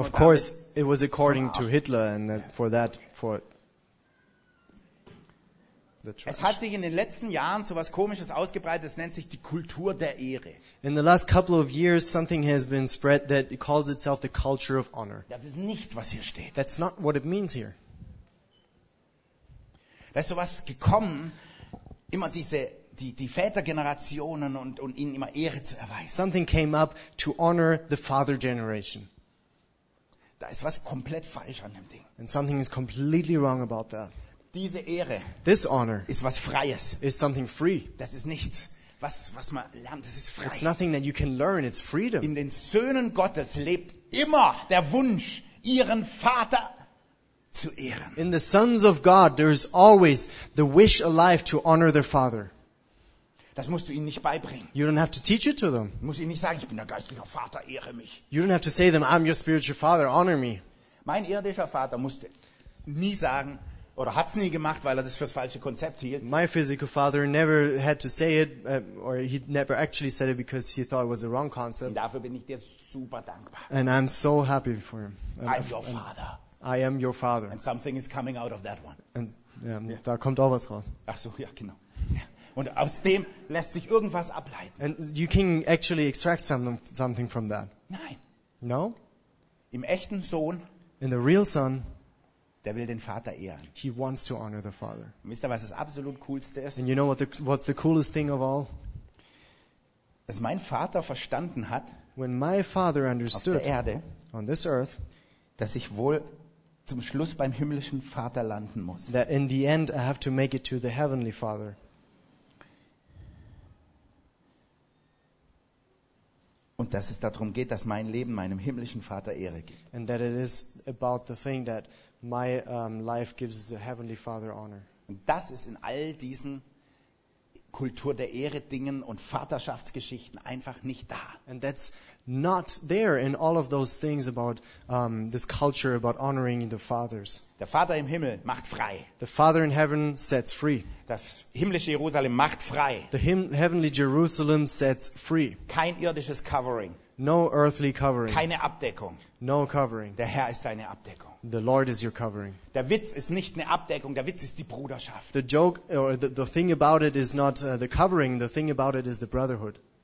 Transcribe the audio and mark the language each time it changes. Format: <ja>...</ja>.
<en>Of course, it was according to Hitler and that, for that, for</en> <de>Es hat sich in den letzten Jahren so was Komisches ausgebreitet, das nennt sich die Kultur der Ehre.</de> <en>In the last couple of years something has been spread that it calls itself the culture of honor.</en> <de>Das ist nicht, was hier steht.</de> <en>That's not what it means here.</en> <de>Da ist so was gekommen, immer die Vätergenerationen und ihnen immer Ehre zu erweisen.</de> <en>Something came up to honor the father generation.</en> <de>Da ist was komplett falsch an dem Ding.</de> <en>And something is completely wrong about that.</en> <de>Diese Ehre,</de> <en>this honor,</en> <de>ist was Freies.</de> <en>Is something free.</en> <de>Das ist nichts, was man lernt. Das ist frei.</de> <en>It's nothing that you can learn. It's freedom.</en> <de>In den Söhnen Gottes lebt immer der Wunsch, ihren Vater zu ehren.</de> <en>In the sons of God, there is always the wish alive to honor their father.</en> <de>Das musst du ihnen nicht beibringen.</de> <en>You don't have to teach it to them.</en> <de>Du musst ihnen nicht sagen, ich bin der geistliche Vater, ehre mich.</de> <en>You don't have to say them, I'm your spiritual father, honor me.</en> <de>Mein irdischer Vater musste nie sagen. Oder hat's nie gemacht, weil er das fürs falsche Konzept hielt.</de> <en>My physical father never had to say it, or he never actually said it because he thought it was the wrong concept.</en> <de>Und dafür bin ich dir super dankbar.</de> <en>And I'm so happy for him. I'm your father. I am your father. And something is coming out of that one.</en> <de>And da kommt auch was raus. Ach so, ja, genau. Ja. Und aus dem lässt sich irgendwas ableiten.</de> <en>And you can actually extract something from that.</en> <de>Nein.</de> <en>No?</en> <de>Im echten Sohn.</de> <en>In the real son.</en> <de>Der will den Vater ehren.</de> <en>He wants to honor the father.</en> <de>Wisst ihr, was das absolut coolste ist?</de> <en>And you know what's the coolest thing of all?</en> <de>Dass mein Vater verstanden hat,</de> <en>when my father understood</en> <de>auf der Erde,</de> <en>on this earth,</en> <de>dass ich wohl zum Schluss beim himmlischen Vater landen muss.</de> <en>That in the end I have to make it to the heavenly Father.</en> <de>Und dass es darum geht, dass mein Leben meinem himmlischen Vater Ehre gibt.</de> <en>And that it is about the thing that my life gives the heavenly Father honor.</en> <de>Und das ist in all diesen Kultur der Ehre Dingen und Vaterschaftsgeschichten einfach nicht da.</de> <en>And that's not there in all of those things about this culture about honoring the fathers.</en> <de>Der Vater im Himmel macht frei.</de> <en>The Father in heaven sets free.</en> <de>Das himmlische Jerusalem macht frei.</de> <en>The heavenly Jerusalem sets free.</en> <de>Kein irdisches Covering.</de> <en>No earthly covering.</en> <de>Keine Abdeckung.</de> <en>No covering.</en> <de>Der Herr ist deine Abdeckung.</de> <en>The Lord is your covering.</en> <de>Der Witz ist nicht eine Abdeckung, der Witz ist die Bruderschaft.</de> <en>The joke or the thing about it is not the covering, the thing about it is the brotherhood.</en>